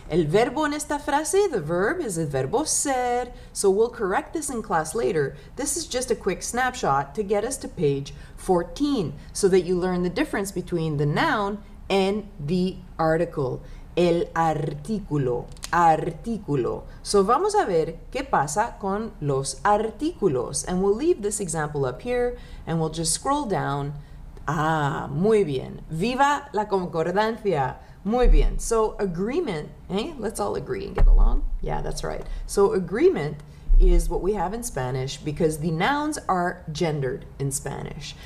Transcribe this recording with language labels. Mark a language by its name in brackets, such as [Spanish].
[Spanish] El verbo en esta frase, [English] the verb, is [Spanish] el verbo ser. [English] So we'll correct this in class later. This is just a quick snapshot to get us to page 14 so that you learn the difference between the noun and the article. [Spanish] El artículo. Artículo. So vamos a ver qué pasa con los artículos. [English] And we'll leave this example up here and we'll just scroll down. [Spanish] Ah, muy bien. Viva la concordancia. Muy bien. [English] So agreement, eh? Let's all agree and get along. Yeah, that's right. So agreement is what we have in Spanish because the nouns are gendered in Spanish.